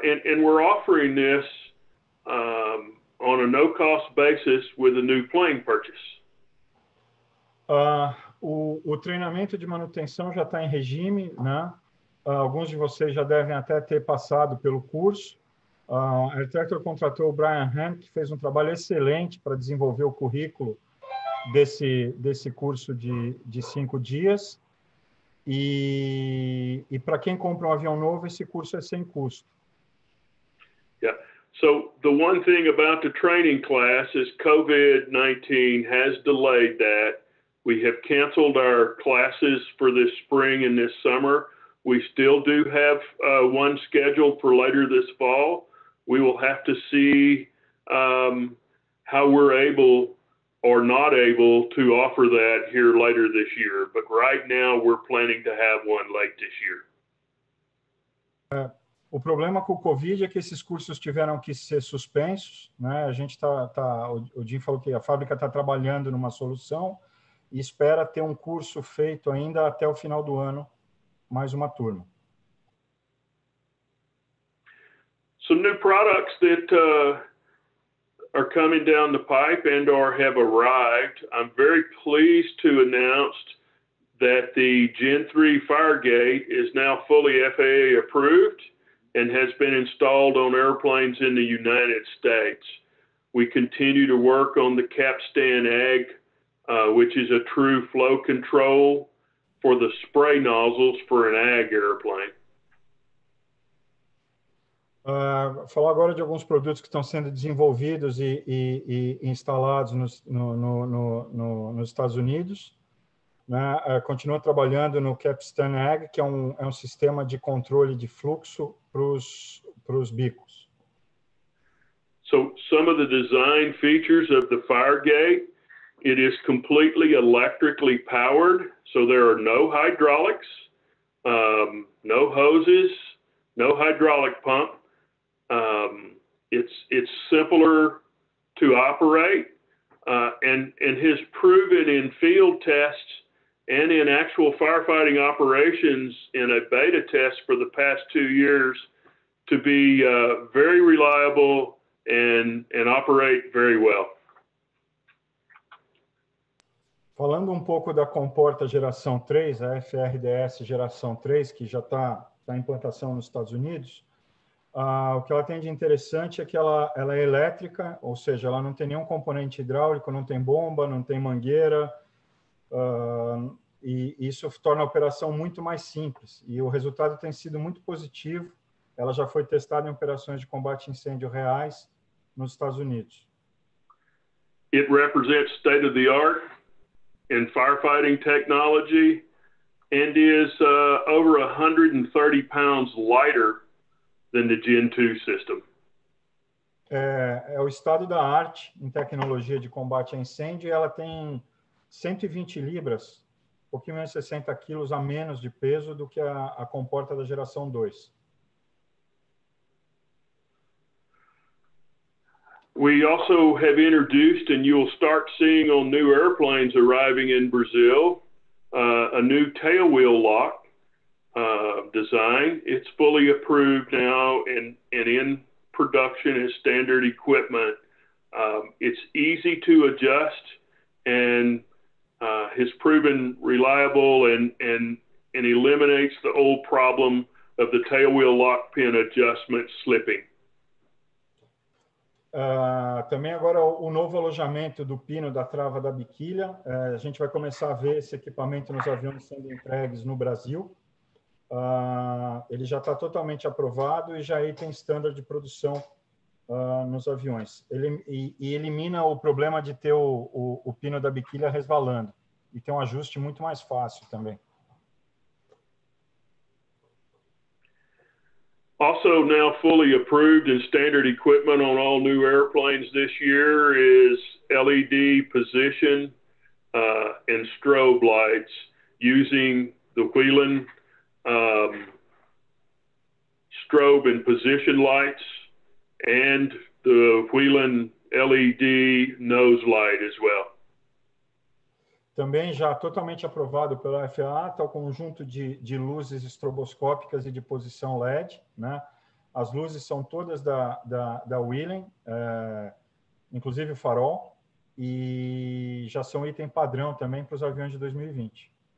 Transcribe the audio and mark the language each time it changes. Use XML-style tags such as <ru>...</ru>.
<en>And we're offering this on a no-cost basis with a new plane purchase.</en> <pt>O treinamento de manutenção já está em regime, né? Alguns de vocês já devem até ter passado pelo curso. A AirTractor contratou o Brian Hahn, que fez um trabalho excelente para desenvolver o currículo desse curso de 5 dias. E para quem compra um avião novo, esse curso é sem custo.</pt> <en>Yeah. So the one thing about the training class is COVID-19 has delayed that. We have canceled our classes for this spring and this summer. We still do have one scheduled for later this fall. We will have to see how we're able or not able to offer that here later this year. But right now, we're planning to have one late this year.</en> <pt>O problema com o COVID é que esses cursos tiveram que ser suspensos, né? A gente tá, o Jim falou que a fábrica está trabalhando numa solução e espera ter um curso feito ainda até o final do ano. Mais uma turma.</pt> <en>Some new products that are coming down the pipe and or have arrived. I'm very pleased to announce that the Gen 3 Firegate is now fully FAA approved and has been installed on airplanes in the United States. We continue to work on the Capstan Ag, which is a true flow control for the spray nozzles for an ag airplane.</en> <pt>Falar agora de alguns produtos que estão sendo desenvolvidos e instalados nos Estados Unidos. Né? Continua trabalhando no Capstan Ag, que é um sistema de controle de fluxo para os bicos.</pt> <en>So some of the design features of the Firegate, it is completely electrically powered. So there are no hydraulics, no hoses, no hydraulic pump. It's simpler to operate, and has proven in field tests and in actual firefighting operations in a beta test for the past 2 years to be very reliable and operate very well.</en> <pt>Falando um pouco da comporta geração 3, a FRDS geração 3, que já está da implantação nos Estados Unidos, o que ela tem de interessante é que ela é elétrica, ou seja, ela não tem nenhum componente hidráulico, não tem bomba, não tem mangueira, e isso torna a operação muito mais simples. E o resultado tem sido muito positivo. Ela já foi testada em operações de combate a incêndio reais nos Estados Unidos.</pt> <en>It represents state-of-the-art in firefighting technology and is over 130 pounds lighter than the Gen 2 system.</en> <pt>É o estado da arte em tecnologia de combate a incêndio. Ela tem 120 libras, um pouquinho menos de 60 quilos a menos de peso do que a comporta da geração 2.</pt> <en>We also have introduced, and you will start seeing on new airplanes arriving in Brazil, a new tailwheel lock design. It's fully approved now and in production as standard equipment. It's easy to adjust and has proven reliable and eliminates the old problem of the tailwheel lock pin adjustment slipping.</en> <pt>Também agora o novo alojamento do pino da trava da biquilha. A gente vai começar a ver esse equipamento nos aviões sendo entregues no Brasil. Ele já está totalmente aprovado e já aí tem standard de produção nos aviões. E elimina o problema de ter o pino da biquilha resvalando. E tem um ajuste muito mais fácil também.</pt> <en>Also now fully approved and standard equipment on all new airplanes this year is LED position and strobe lights using the Whelan strobe and position lights and the Whelan LED nose light as well.</en> <pt>Também já totalmente aprovado pela FAA, está o conjunto de luzes estroboscópicas e de posição LED, né? As luzes são todas da Whelan, inclusive o farol, e já são item padrão também para os aviões de 2020.</pt>